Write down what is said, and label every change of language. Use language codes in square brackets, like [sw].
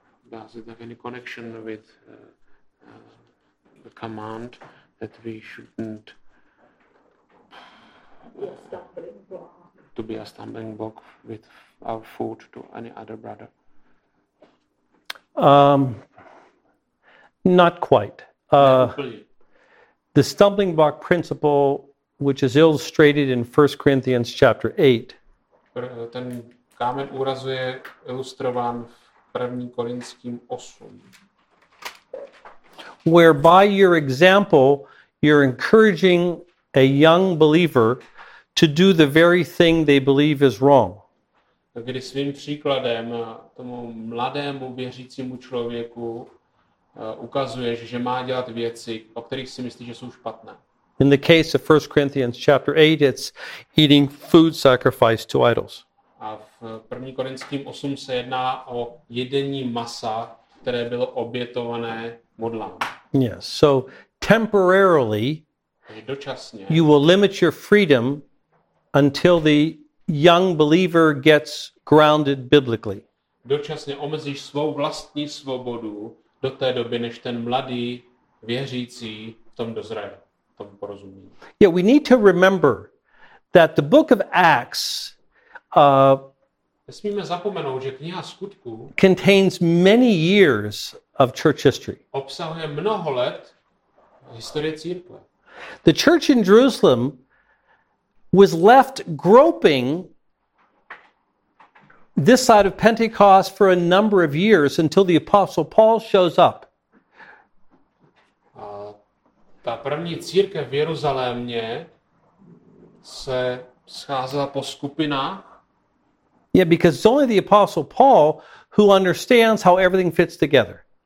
[en] Does it have any connection with the command that we shouldn't to be a stumbling block with our food to any other brother? Not quite. The stumbling block principle, which is illustrated in 1 Corinthians chapter 8. [cs] Ten kámen úrazu je ilustrován v 1. Korinským 8. [en] Where by your example, you're encouraging a young believer to do the very thing they believe is wrong. [cs] Kdy svým příkladem tomu mladému věřícímu člověku ukazuješ, že má dělat věci, o kterých si myslí, že jsou špatné. [en] In the case of 1 Corinthians chapter 8, it's eating food sacrificed to idols. [cs] A v 1. Korinským 8 se jedná o jedení masa, které bylo obětované modlám. [en] Yes. So temporarily you will limit your freedom until the young believer gets grounded biblically. [cs] Dočasně omezíš svou vlastní svobodu do té doby, než ten mladý věřící v tom dozraje, v tom porozumí. [en] Yeah, we need to remember that the book of Acts [cs] nesmíme zapomenout, že kniha Skutků [en] contains many years of church history. [cs] Obsahuje mnoho let historie církve. [en] The church in Jerusalem was left groping this side of Pentecost for a number of years until the apostle Paul shows up. [cs] Ta první církev v Jeruzalémě se scházela po skupinách. [en] Yeah, because it's only the apostle Paul who understands how everything fits together.